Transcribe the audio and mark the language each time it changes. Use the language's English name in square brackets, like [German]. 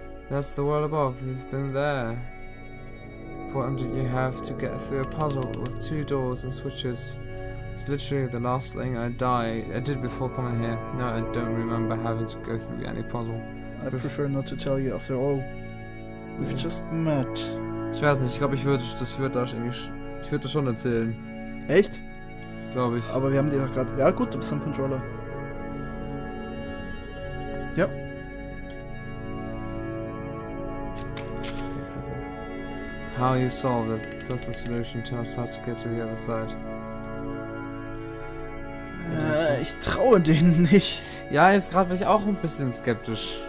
[English] That's the world above. You've been there. What did you have to get through a puzzle with two doors and switches? It's literally the last thing I did before coming here. No, I don't remember having to go through any puzzle. I prefer not to tell you after all. We've just met. [German] Ich weiß nicht, ich glaube, ich würde das schon erzählen. Echt? Glaube ich. Aber wir haben die doch gerade. Ja, gut, du bist am Controller. Ja. [English] How you solve it? Does the solution tell us how to get to the other side? [German] Ich traue denen nicht. Ja, jetzt gerade bin ich auch ein bisschen skeptisch.